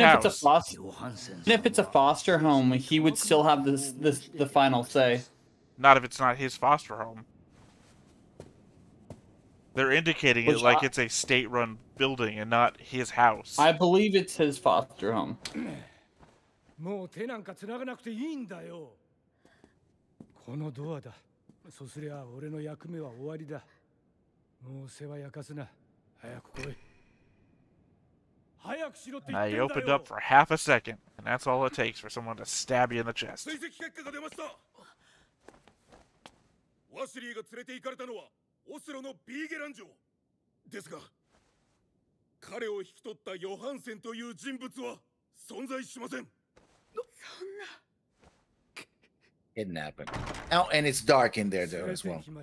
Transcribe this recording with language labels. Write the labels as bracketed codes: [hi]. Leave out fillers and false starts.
[en] house. If it's a even if it's a foster home, he would still have the final say. Not if it's not his foster home. They're indicating Which it like it's a state-run building and not his house. I believe it's his foster home. [ja] もう手なんか繋がなくていいんだよ。このドアだ。そうすりゃ俺の役目は終わりだ。もう世話焼かすな。早く来い。早くしろって言ってんだよ。 [en] I opened up for half a second, and that's all it takes for someone to stab you in the chest. [ja] 追跡結果が出ました。ワシリーが連れて行かれたのはオスロのビーゲラン城ですが、彼を引き取ったヨハンセンという人物は存在しません。そんな。 [en] Kidnapping. Oh, and it's dark in there, though, as well.